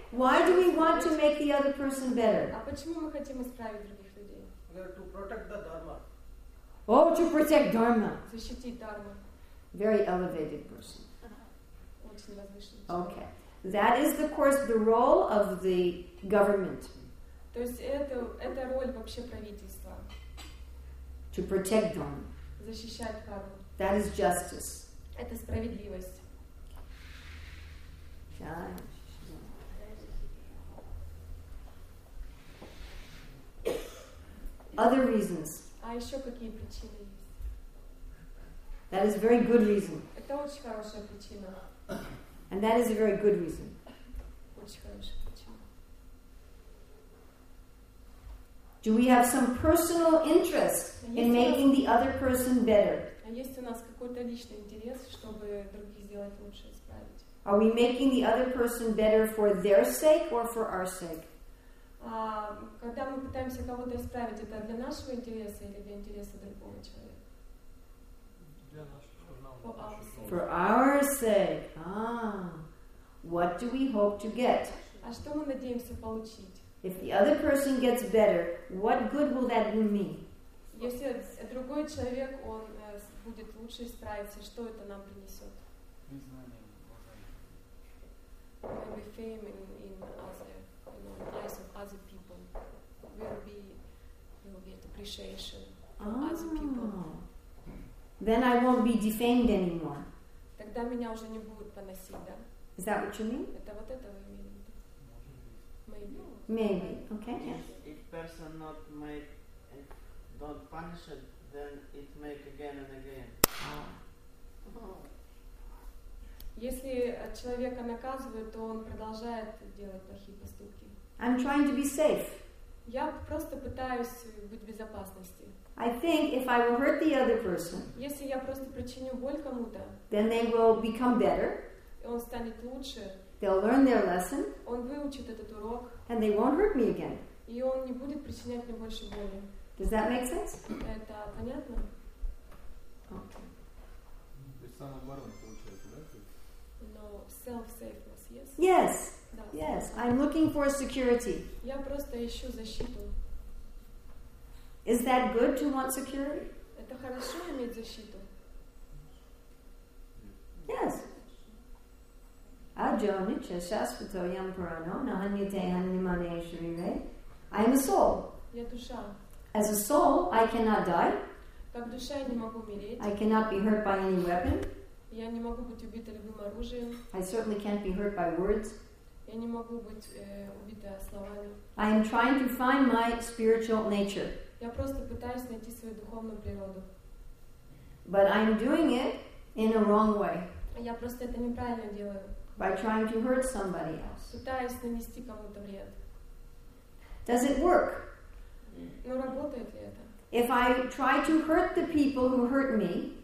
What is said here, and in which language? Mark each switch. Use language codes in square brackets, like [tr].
[en] Why do we want to make the other person better? [ru] А почему мы хотим исправить других людей? [en] To protect the dharma. Oh, to protect dharma. [ru] Защитить дхарму. [en] Very elevated person. [ru] Очень возвышенный. [en] Okay. That is the course, the role of the government. [ru] То есть это роль вообще правительства. [en] To protect dharma. [ru] Защищать дхарму. [en] That is justice. [ru] Это справедливость. [en] Yeah. Other reasons. [ru] А еще какие причины есть? [en] That is a very good reason. [ru] Это очень хорошая причина. [en] And that is a very good reason. [ru] Очень хорошая причина. [en] Do we have some personal interest in making the other person better? [ru] А есть у нас какой-то личный интерес, чтобы других сделать лучше, исправить? [en] Are we making the other person better for their sake or for our sake? [ru] Когда мы пытаемся кого-то исправить, это для нашего интереса или для интереса другого человека? Для нашего. [en] For our sake. What do we hope to get? [ru] А что мы надеемся получить? [en] If the other person gets better, what good will that do me? [ru] Если другой человек, он будет лучше исправиться, что это нам принесет? Признание. [en] Maybe fame in us. Eyes of other people will be appreciation from other people. Then I won't be defamed anymore. [ru] Тогда меня уже не будут поносить, да? [en] Is that what you mean? [ru] Это вот это вы имеете? Может быть. [en] Maybe. Okay. Yeah. If person not make and don't punish it, then it make again and again. [ru] Если человека наказывают, то он продолжает делать плохие поступки. [en] I'm trying to be safe. [ru] Я просто пытаюсь быть в безопасности. [en] I think if I will hurt the other person, [ru] если я просто причиню боль кому-то, [en] then they will become better. [ru] Он станет лучше. [en] They'll learn their lesson. [ru] Он выучит этот урок. [en] And they won't hurt me again. [ru] И он не будет причинять мне больше боли. [en] Does that make sense? [ru] Это понятно? [en] Okay. [ru] самооборона получается, да? [en] No, self-safeness, yes? Yes. [ru] Да. [en] Yes, I'm looking for security. [ru] Я просто ищу защиту. [en] Is that good to want security? [ru] Это хорошо иметь защиту. [en] Yes. [sa] Аджонича шасвато ям парано наханьяте анимане шриве. [en] I am a soul. [ru] Я душа. [en] As a soul, I cannot die. [ru] Как душа я не могу умереть. [en] I cannot be hurt by any weapon. [ru] Я не могу быть убита любым оружием. [en] I certainly can't be hurt by words. [ru] Я не могу быть убита словами. [en] I am trying to find my spiritual nature. [ru] Я просто пытаюсь найти свою духовную природу. [en] But I am doing it in a wrong way. [ru] Я просто это неправильно делаю. [en] By trying to hurt somebody else. [ru] Пытаюсь нанести кому-то вред. [en] Does it work? [ru] Но работает ли это? [en] If I try to hurt the people who hurt me,